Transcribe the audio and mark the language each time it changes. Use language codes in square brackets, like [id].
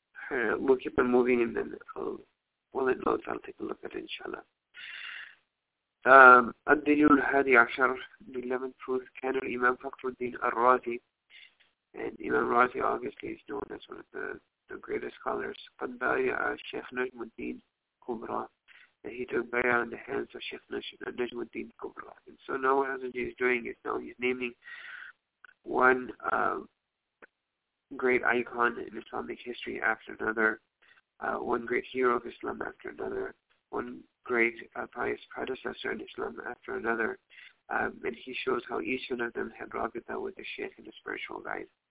[en] We'll keep on moving and then we'll let notes. I'll take a look at it, inshallah. [ar] الدليل الحادي عشر [en] the 11th proof [ar] كان الإمام فخر الدين الرازي. [en] And Imam Razi obviously is known as one of the greatest scholars. [ar] قد بايع الشيخ نجم الدين كبرى. [en] And he took bayah on the hands of Sheikh نجم الدين كبرى. And so now what he's doing is now he's naming one great icon in Islamic history after another, one great hero of Islam after another, one great pious predecessor in Islam after another, and he shows how each one of them had rabita with the Sheikh and the spiritual guide.